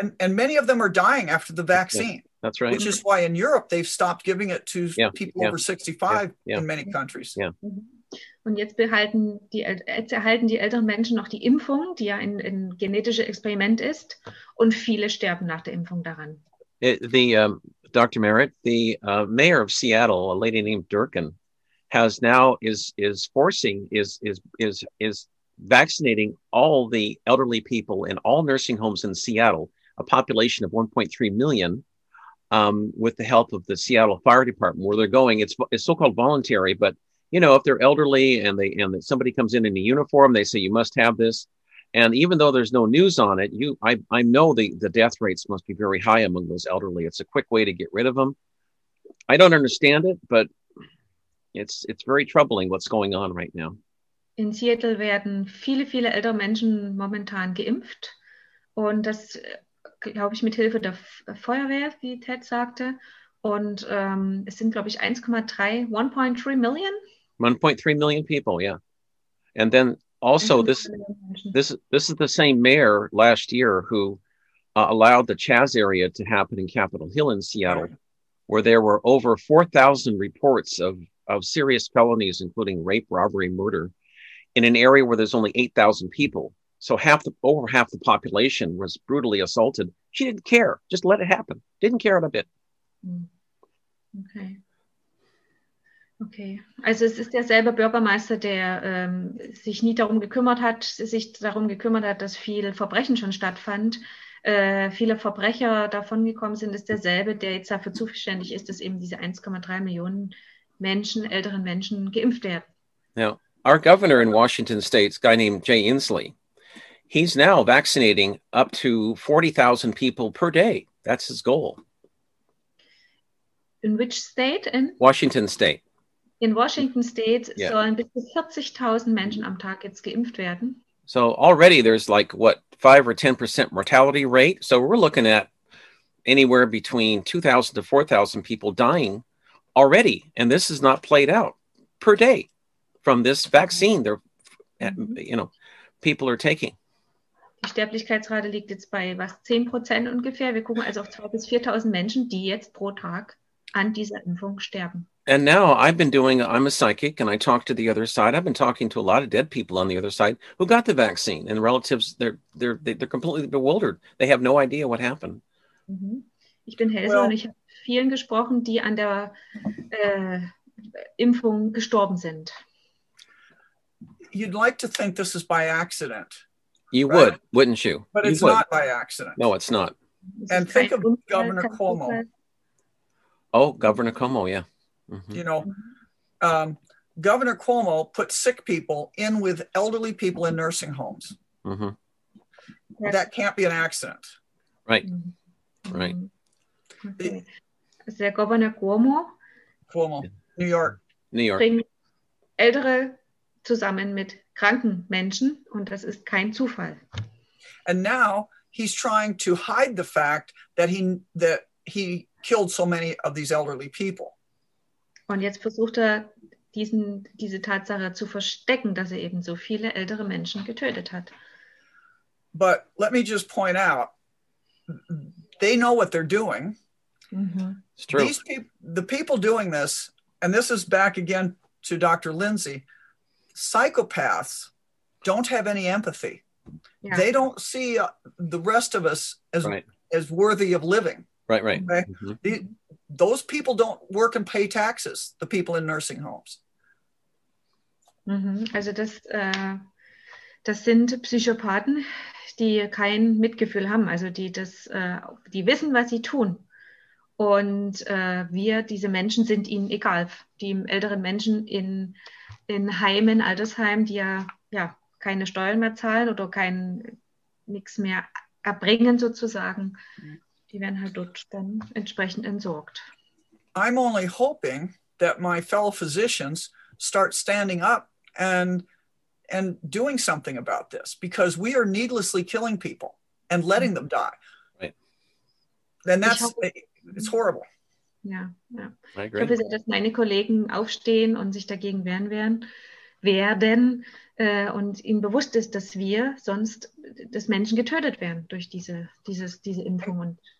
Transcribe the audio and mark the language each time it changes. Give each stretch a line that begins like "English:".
English: And many of them are dying after the vaccine. Yeah, that's right. Which is why in Europe they've stopped giving it to people over 65 in many countries. Yeah.
German: Und jetzt erhalten die älteren Menschen noch die Impfung, die ja ein genetisches Experiment ist, und viele sterben nach der Impfung daran.
English: Dr. Merritt, the mayor of Seattle, a lady named Durkin, is vaccinating all the elderly people in all nursing homes in Seattle, a population of 1.3 million, with the help of the Seattle Fire Department, where they're going. It's so-called voluntary, but if they're elderly and somebody comes in a uniform, they say you must have this. And even though there's no news on it, I know the death rates must be very high among those elderly. It's a quick way to get rid of them. I don't understand it, but it's very troubling what's going on right now.
German: In Seattle werden viele, viele ältere Menschen momentan geimpft. Und das, glaube ich, mit Hilfe der Feuerwehr, wie Ted sagte. Und es sind, glaube ich, 1.3 million?
English: 1.3 million people, yeah. And then also this is the same mayor last year who allowed the Chaz area to happen in Capitol Hill in Seattle, where there were over 4,000 reports of serious felonies, including rape, robbery, murder, in an area where there's only 8,000 people. So over half the population was brutally assaulted. She didn't care. Just let it happen. Didn't care a bit. Okay. Okay.
German: Also es ist derselbe Bürgermeister, der sich darum gekümmert hat, dass viel Verbrechen schon stattfand. Viele Verbrecher davongekommen sind, ist derselbe, der jetzt dafür zuständig ist, dass eben diese 1,3 Millionen Menschen, älteren Menschen, geimpft werden.
English: Now, our governor in Washington State, a guy named Jay Inslee, he's now vaccinating up to 40,000 people per day. That's his goal. In which state? In Washington State.
German: In Washington State sollen bis zu 40,000 Menschen am Tag jetzt geimpft werden.
English: So already there's 5 or 10% mortality rate. So we're looking at anywhere between 2,000 to 4,000 people dying already. And this is not played out per day from this vaccine. They're, you know, people are taking.
German: Die Sterblichkeitsrate liegt jetzt bei was 10% ungefähr. Wir gucken also auf 2 bis 4,000 Menschen, die jetzt pro Tag an dieser Impfung sterben.
English: And now I've been doing, I'm a psychic and I talk to the other side. I've been talking to a lot of dead people on the other side who got the vaccine and relatives, they're completely bewildered. They have no idea what happened. Mm-hmm.
German: Ich bin Helse und ich habe vielen gesprochen, die an der Impfung gestorben sind.
English: You'd like to think this is by accident. You right? would, wouldn't you? But you it's would. Not by accident. No, it's not. And think of Governor Cuomo. Oh, Governor Cuomo, yeah. Mm-hmm. You know, Governor Cuomo put sick people in with elderly people in nursing homes. Mm-hmm. Yeah. That can't be an accident. Right, mm-hmm. right. Okay. Is that Governor Cuomo? Cuomo, New York. New York.
German: Bringt Ältere zusammen mit kranken Menschen, und das ist kein Zufall.
English: And now he's trying to hide the fact that he killed so many of these elderly people.
German: Und jetzt versucht er, diese Tatsache zu verstecken, dass er eben so viele ältere Menschen getötet hat.
English: But let me just point out, they know what they're doing. Mm-hmm. It's true. The people doing this, and this is back again to Dr. Lindsay, psychopaths don't have any empathy. Yeah. They don't see the rest of us as right. as worthy of living. Right, right. Okay? Mm-hmm. Those people don't work and pay taxes, the people in nursing homes. Mm-hmm.
German: Also das sind Psychopathen, die kein Mitgefühl haben, also die wissen, was sie tun. Und wir, diese Menschen, sind ihnen egal. Die älteren Menschen in Heimen, Altersheimen, die ja keine Steuern mehr zahlen oder nichts mehr erbringen sozusagen, die werden halt dort dann entsprechend entsorgt.
English: I'm only hoping that my fellow physicians start standing up and doing something about this, because we are needlessly killing people and letting them die. Right. And that's, it's horrible. Yeah. Yeah. I agree.
German: Ich hoffe, dass meine Kollegen aufstehen und sich dagegen wehren werden und ihnen bewusst ist, dass wir sonst, dass Menschen getötet werden durch diese Impfung.